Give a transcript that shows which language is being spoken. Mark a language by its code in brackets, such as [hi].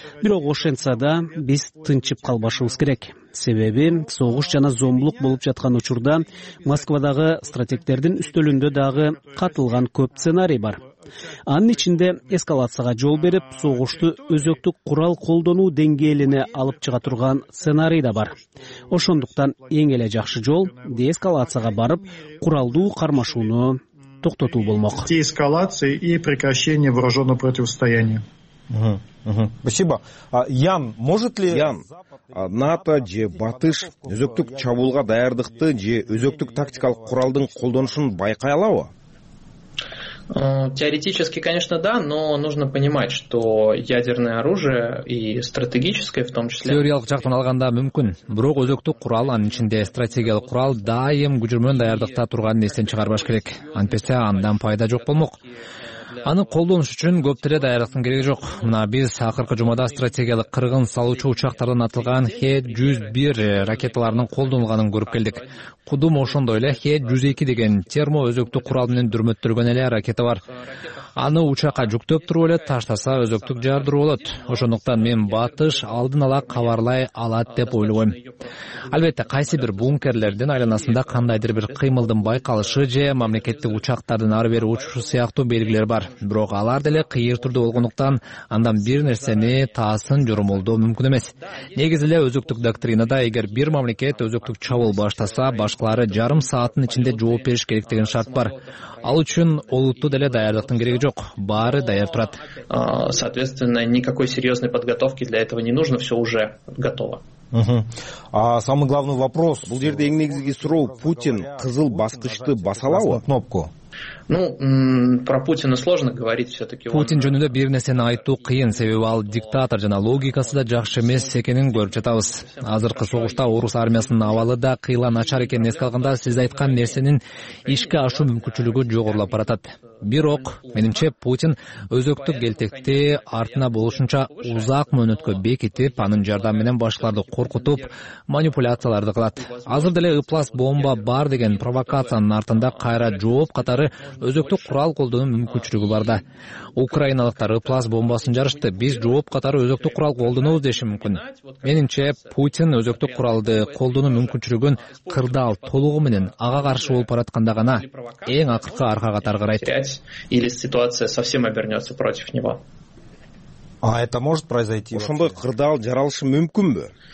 [ky] Бирок ошентсе да биз тынчып калбашыбыз керек. Себеби согуш жана зомбулук болуп жаткан учурда Москвадагы стратегтердин үстөлүндө дагы катылган көп сценарий бар. Анын ичинде эскалацияга жол берип, согушту өзөктүк курал колдонуу деңгээлине алып чыга турган сценарий да бар. Ошондуктан эң эле жакшы жол деэскалацияга барып, куралдуу кармашууну токтотуу болмок. [ru] Деэскалация и прекращение вооружённого противостояния. Спасибо. Ян, может ли [ky] НАТО же Батыш өзөктүк чабуулга даярдыкты же өзөктүк тактикалык куралдын колдонушун байкай алабы? [ru] Теоретически, конечно, да, но нужно понимать, что ядерное оружие и стратегическое в том числе... [ky] Теориялык жактан алганда мүмкүн, бирок өзөктүк курал, анын ичинде стратегиялык курал дайым күчү менен даярдыкта турганын эстен чыгарбаш керек. Антпесе андан пайда жок болмок. Аны колдонуш үчүн көптөрө даярдыктын кереги жок. Мына биз акыркы жумада стратегиялык кыргын салуучу учактардан атылган Х-101 ракеталарынын колдонулганын көрүп келдик. Кудум ошондой эле Х-102 деген термо өзөктүк курал менен дүрмөттөлгөн эле ракета бар. Аны учакка жүктөп туруп эле таштаса өзөктүк жардыруу болот. Ошондуктан мен Батыш алдын ала кабарлай алат деп ойлойм. Албетте, кайсы бир бункерлердин айланасында кандайдыр бир кыймылдын байкалышы же мамлекеттик учактардын ар бири учушу сыяктуу белгилер бар. Бирок алар деле кыйыр түрдө болгондуктан андан бир нерсени таасын жоромолдоо мүмкүн эмес. Негизи эле өзөктүк доктринада эгер бир мамлекет өзөктүк чабуул баштаса, башкалары жарым сааттын ичинде жооп бериш керек деген шарт бар. Ал үчүн олуттуу деле даярдыктын кереги жок, баары даяр турат. [ru] Соответственно, никакой серьезной подготовки для этого не нужно, все уже готово. Самый главный вопрос. [ky] Бул жерде эң негизги суроо: Путин кызыл баскычты баса алабы? [ru] Кнопку. Ну, про Путина сложно говорить все-таки. [ky] Путин жөнүндө бир нерсени айтуу кыйын, себеби ал диктатор жана логикасы да жакшы эмес экенин көрүп жатабыз. Азыркы согушта орус армиясынын абалы да кыйла начар экенин эске алганда сиз айткан нерсенин ишке ашуу мүмкүнчүлүгү жогорулап баратат. Бирок менимче Путин өзөктүк келтекти артына болушунча узак мөөнөткө бекитип, анын жардамы менен башкаларды коркутуп манипуляцияларды кылат. Азыр деле ыплас бомба бар деген провокациянын артында кайра жооп катары өзөктүк курал колдонуу мүмкүнчүлүгү бар да. Украиналыктар ыплас бомбасын жарышты, биз жооп катары өзөктүк курал колдонобуз деши мүмкүн. Менимче Путин өзөктүк куралды колдонуу мүмкүнчүлүгүн кырдаал толугу менен ага каршы болуп баратканда гана эң акыркы арка катары карайт. [ru] Или ситуация совсем обернется против него. А это может произойти? [ky] Ошондой кырдаал жаралышы мүмкүнбү?